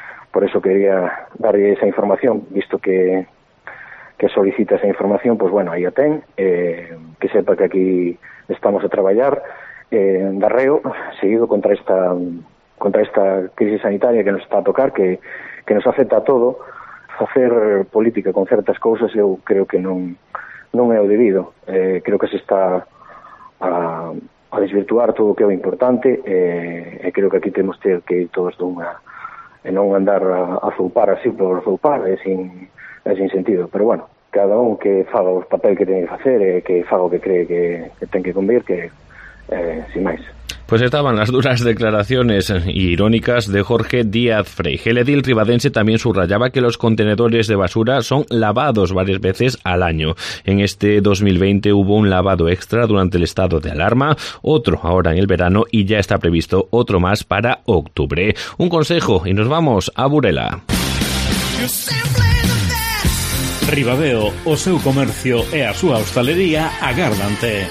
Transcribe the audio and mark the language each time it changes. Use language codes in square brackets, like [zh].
[gl] Por eso quería darlle esa información, visto que solicita esa información, pues bueno, aí a ten, que sepa que aquí estamos a traballar en darreo, seguido contra esta crisis sanitaria que nos está a tocar, que nos afecta a todo. Facer política con certas cousas eu creo que non é o debido. Creo que se está a desvirtuar todo o que é o importante e creo que aquí temos ter que ir todos dunha e non andar a zoupar así por zoupar, sin sentido. Pero bueno, cada un que faga o papel que ten que facer e que faga o que cree que ten que convir, que sin máis. [es] Pues estaban las duras declaraciones irónicas de Jorge Díaz Freije. El edil ribadense también subrayaba que los contenedores de basura son lavados varias veces al año. En este 2020 hubo un lavado extra durante el estado de alarma, otro ahora en el verano y ya está previsto otro más para octubre. Un consejo y nos vamos a Burela. [gl] Ribadeo, o seu comercio e a súa hostalería agárdante.